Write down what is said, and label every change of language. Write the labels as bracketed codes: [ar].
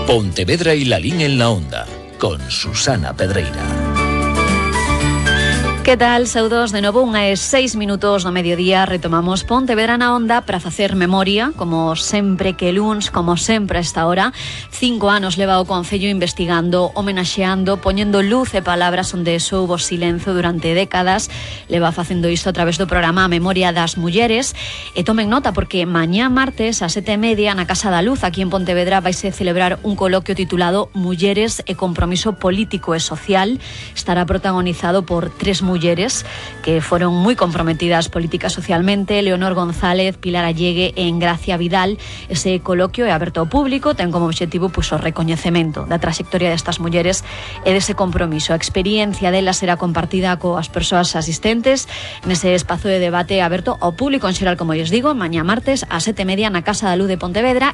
[es] Pontevedra y Lalín en la Onda, con Susana Pedreira. ¿Qué tal? [gl] Saudos de novo, unha e seis minutos do mediodía. Retomamos Pontevedra na Onda para facer memoria, como sempre que luns, como sempre a esta hora. Cinco anos leva o Concello investigando, homenaxeando, poñendo luz e palabras onde soubo silencio durante décadas. Leva facendo isto a través do programa Memoria das Mulleres. E tomen nota porque mañá martes a 7:30 na Casa da Luz, aquí en Pontevedra, vaise celebrar un coloquio titulado Mulleres e compromiso político e social. Estará protagonizado por tres mulleres que [es] fueron muy comprometidas política socialmente, [gl] Leonor González, Pilar Allegue e Engracia Vidal. Ese coloquio é aberto ao público, ten como objetivo pues, o recoñecemento da trayectoria destas mulleres e dese compromiso. A experiencia delas será compartida coas persoas asistentes nese espazo de debate aberto ao público en xeral, como lles digo, mañá martes a 7:30 na Casa da Luz de Pontevedra.